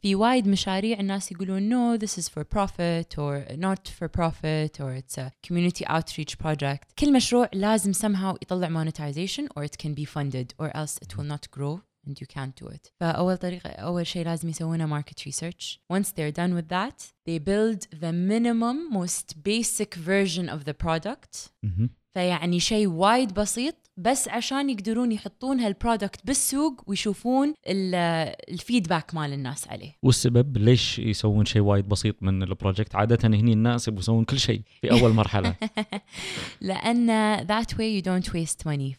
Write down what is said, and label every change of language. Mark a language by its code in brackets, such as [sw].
[ar] في وايد مشاريع الناس يقولون [en] no this is for profit or not for profit or it's a community outreach project. [ar] كل مشروع لازم [en] somehow [ar] يطلع [en] monetization or it can be funded or else it will not grow and you can't do it. [ar] فأول طريقة أول شيء لازم يسوونه market research. [en] Once they're done with that, they build the minimum, most basic version of the product. [ar] فيعني شيء وايد بسيط بس عشان يقدرون يحطون هالبرودكت بالسوق ويشوفون الفيدباك مال الناس عليه. والسبب ليش يسوون شيء وايد بسيط من البروجكت؟ عادة هني الناس يسوون كل شيء في أول مرحلة. [en] لأن that way you don't waste money.